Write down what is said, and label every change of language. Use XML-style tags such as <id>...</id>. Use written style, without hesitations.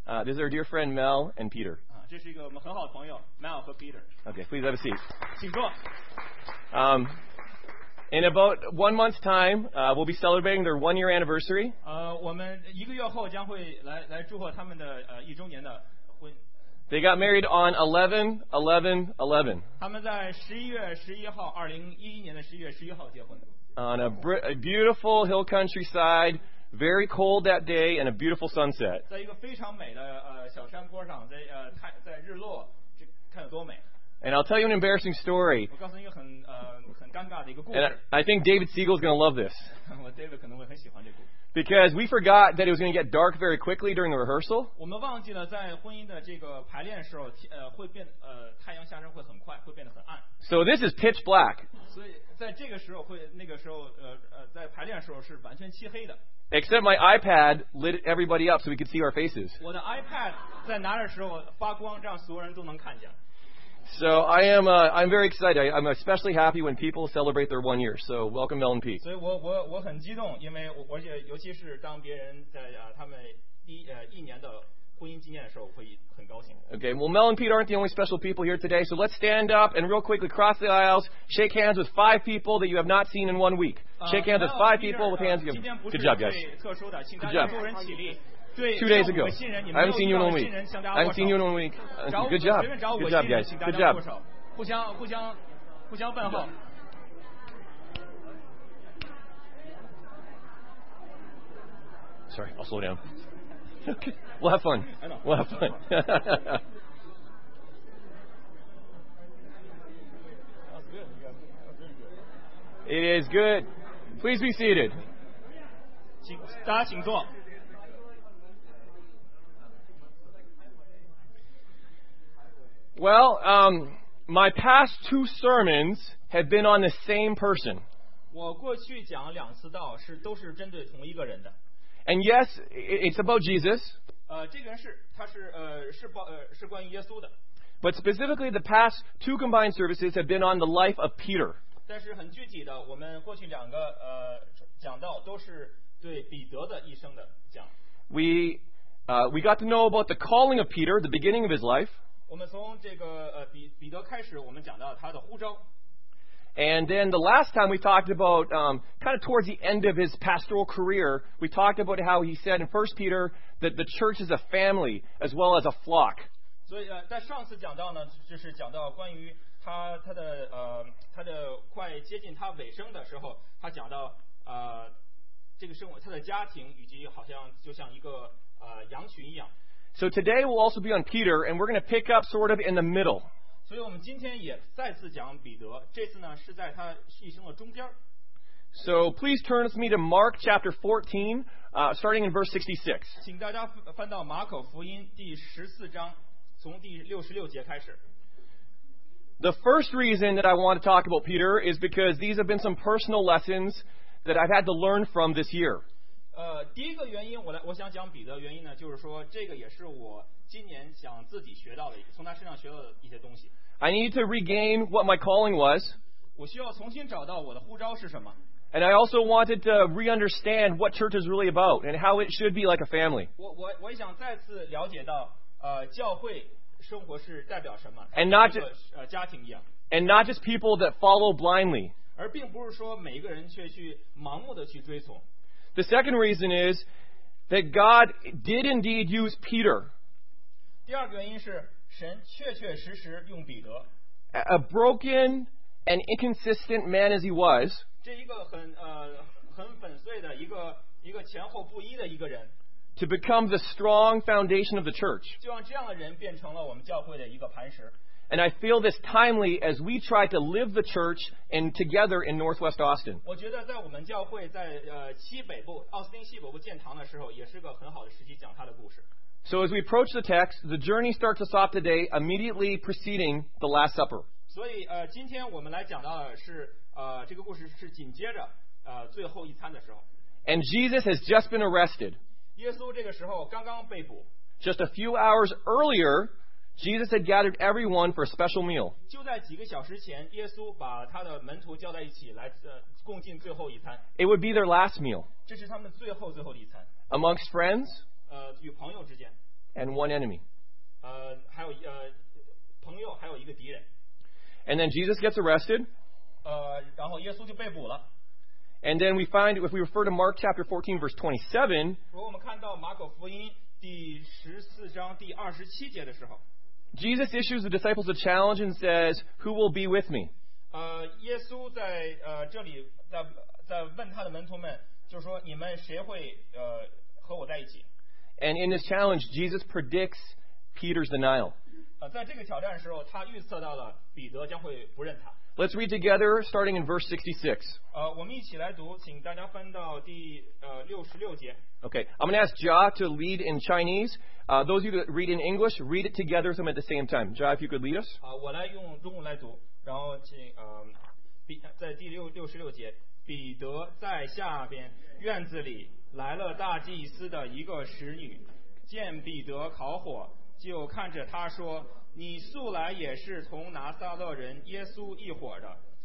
<en>This is our dear friend Mel and Peter.</en> <zh>这是一个我们很好的朋友 Mel 和 Peter.</zh> <en>Okay, please have a seat.</en> <zh>请坐。</zh> <en>In about 1 month's time, we'll be celebrating their 1 year anniversary.</en> <zh>我们一个月后将会来祝贺他们的一周年的婚。</zh> <en>They got married on 11/11/11.</en> <zh>他们在二零一一年的十一月十一号结婚。</zh> <en>On a beautiful hill countryside Very cold that day and a beautiful sunset.</en> <zh>在一个非常美的小山坡上，在在日落，这看有多美。</zh> <en>And I'll tell you an embarrassing story.</en> <zh>我告诉你一个很尴尬的一个故事。</zh> <en>And I think David Siegel is going to love this.</en> <zh>我 David 可能会很喜欢这故事。</zh> <en>Because we forgot that it was going to get dark very quickly during the rehearsal.</en> <zh>我们忘记了在婚姻的这个排练时候，会变太阳下山会很快，会变得很暗。</zh> <en>So this is pitch black.</en> <zh>所以在这个时候会那个时候在排练时候是完全漆黑的。</zh> <en>Except my iPad lit everybody up so we could see our faces.</en> <zh>我的 iPad 在拿着时候发光，让所有人都能看见。</zh> <en>So I am I'm very excited. I'm especially happy when people celebrate their 1 year. So welcome, Mel and Pete.</en> <zh>所以我很激动，因为我而且尤其是当别人在他们一年的婚姻纪念的时候，我会很高兴。</zh> <en>Okay, well, Mel and Pete aren't the only special people here today. So let's stand up and real quickly cross the aisles, shake hands with five people that you have not seen in 1 week. Shake hands with five people with hands. Good job, guys. Good job. 2 days ago. I haven't seen you in 1 week. I haven't seen you in 1 week. Good job. Good job, guys. Good job.</en> <zh>互相问候。</zh> <en>Sorry, I'll slow down. Okay. We'll have fun. We'll have fun. It is good. Please be seated.</en> <zh>大家请坐。</zh> <en>Well, my past two sermons have been on the same person.</en> <zh>我过去讲两次道是都是针对同一个人的。</zh> <en>And yes, it's about Jesus.</en> <zh>这个人是他是是报是关于耶稣的。</zh> <en>But specifically, the past two combined services have been on the life of Peter.</en> <zh>但是很具体的，我们过去两个讲道都是对彼得的一生的讲。</zh> <en>We got to know about the calling of Peter, the beginning of his life.</en> <zh>我们从这个彼得开始，我们讲到他的呼召。</zh> <en>And then the last time we talked about kind of towards the end of his pastoral career, we talked about how he said in 1 Peter that the church is a family as well as a flock.</en> <zh>所以在上次讲到呢，就是讲到关于他的快接近他尾声的时候，他讲到这个生活，他的家庭以及好像就像一个羊群一样。</zh> <en>So today we'll also be on Peter, and we're going to pick up sort of in the middle.</en> <zh>所以我们今天也再次讲彼得，这次呢是在他一生的中间。</zh> <en>So please turn with me to Mark chapter 14, starting in verse 66.</en> <zh>请大家翻到马可福音第十四章，从第六十六节开始。</zh> <en>The first reason that I want to talk about Peter is because these have been some personal lessons that I've had to learn from this year.</en> <zh>第一个原因我想讲彼得原因呢，就是说这个也是我今年想自己学到的，从他身上学到的一些东西。</zh> <en>I need to regain what my calling was.</en> <zh>我需要重新找到我的呼召是什么。</zh> <en>And I also wanted to re-understand what church is really about and how it should be like a family.</en> <zh>我也想再次了解到教会生活是代表什么。</zh> <en>And not just</en> <zh>家庭一样。</zh> <en>And not just people that follow blindly.</en> <zh>而并不是说每一个人却去盲目的去追从。</zh> <en>The second reason is that God did indeed use Peter.</en> <zh>第二个原因是神确确实实用彼得。</zh> <en>A broken and inconsistent man as he was.</en> <zh>这一个很粉碎的一个前后不一的一个人。</zh> <en>To become the strong foundation of the church.</en> <zh>就让这样的人变成了我们教会的一个磐石。</zh> <en>And I feel this timely as we try to live the church and together in Northwest Austin.</en> <zh>我觉得在我们教会在西北部奥斯汀西北部建堂的时候，也是个很好的时机讲他的故事。</zh> <en>So as we approach the text, the journey starts us off today immediately preceding the Last Supper.</en> <zh>所以今天我们来讲到的是这个故事是紧接着最后一餐的时候。</zh> <en>And Jesus has just been arrested.</en> <zh>耶稣这个时候刚刚被捕。</zh> <en>Just a few hours earlier. Jesus had gathered everyone for a special meal.</en> <zh>就在几个小时前，耶稣把他的门徒叫在一起来共进最后一餐。</zh> <en>It would be their last meal.</en> <zh>这是他们最后的一餐。</zh> <en>Amongst friends.</en> <zh>与朋友之间。</zh> <en>And one enemy.</en> <zh>还有朋友还有一个敌人。</zh> <en>And then Jesus gets arrested.</en> <zh>然后耶稣就被捕了。</zh> <en>And then we find if we refer to Mark chapter 14 verse 27.</en> <zh>如果我们看到马可福音第十四章第二十七节的时候。</zh> <en>Jesus issues the disciples a challenge and says, "Who will be with me?"</en> <zh>耶稣在这里在问他的门徒们，就是说你们谁会和我在一起。</zh> <en>And in this challenge, Jesus predicts Peter's denial.</en> <zh>在这个挑战的时候，他预测到了彼得将会不认他。</zh> <en>Let's read together, starting in verse 66.</en> <zh>我们一起来读，请大家翻到第66节。</zh> <en>Okay, I'm going to ask Jia to lead in Chinese. Those of you that read in English, read it together with them at the same time. Jia, if you could lead us.</en> <zh>我来用中文来读，然后请在第66节，彼得在下边院子里来了大祭司的一个使女，见彼得烤火，就看着他说，你素来也是从拿撒勒人耶稣一伙的。</zh>